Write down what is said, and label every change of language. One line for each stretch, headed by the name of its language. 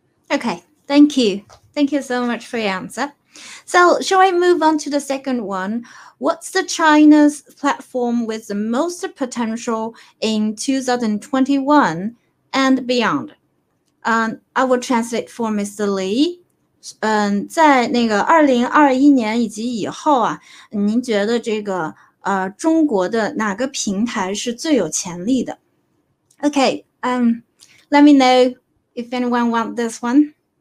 English: Okay. Thank you. Thank you so much for your answer. So shall I move on to the second one? What's the China's platform with the most potential in 2021 and beyond? I will translate for Mr. Lee.
Chinese: 在那个2021年以及以后啊，您觉得这个中国的哪个平台是最有潜力的？
English: Okay, let me know if anyone wants this one.